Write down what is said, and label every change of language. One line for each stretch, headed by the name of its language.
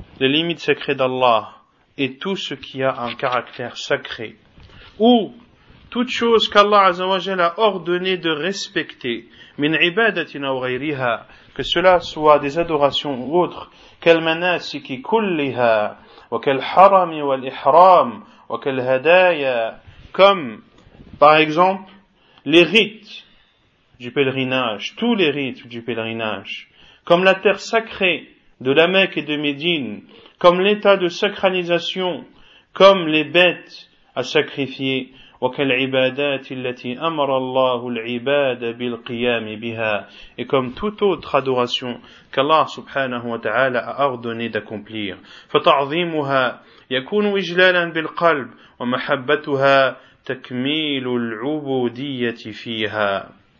French: Les limites sacrées d'Allah et tout ce qui a un caractère sacré, ou toute chose qu'Allah Azza wa Jalla a ordonné de respecter,
Arabic: min ibadatin aw ghayriha,
French: que cela soit des adorations ou autres,
Arabic: kal manasiki kulliha wa kal harami wal ihram wa kal hadaya,
French: comme par exemple les rites du pèlerinage, tous les rites du pèlerinage, comme la terre sacrée de la Mecque et de Médine, comme l'état de sacralisation, comme les bêtes à sacrifier,
Arabic: وكالعبادات التي أمر الله العباد بالقيام بها.
French: Et comme toute autre adoration qu'Allah سبحانه وتعالى a ordonné d'accomplir.
Arabic: فتعظيمها يكون إجلالا بالقلب ومحبتها تكميل العبودية فيها.